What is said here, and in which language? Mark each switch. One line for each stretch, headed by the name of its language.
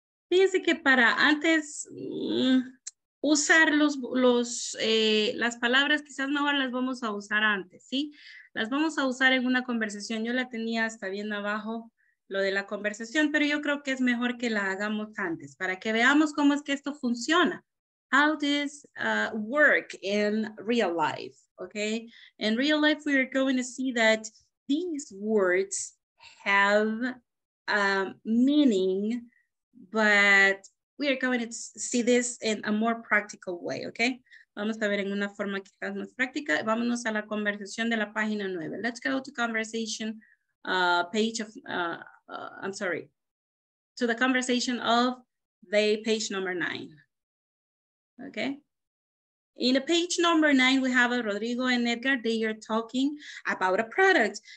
Spanish: Fíjense que para antes usar las palabras, quizás mejor las vamos a usar antes, ¿sí? Las vamos a usar en una conversación. Yo la tenía hasta bien abajo, lo de la conversación, pero yo creo que es mejor que la hagamos antes para que veamos cómo es que esto funciona.
English: how this work in real life, okay? In real life, we are going to see that these words have meaning, but we are going to see this in a more practical way, okay?
Spanish: Vamos a ver en una forma quizás más práctica. Vámonos a la conversación de la página 9.
English: Let's go to conversation to the conversation of the page number 9. Okay. In a page number 9, we have a Rodrigo and Edgar. They are talking about a product.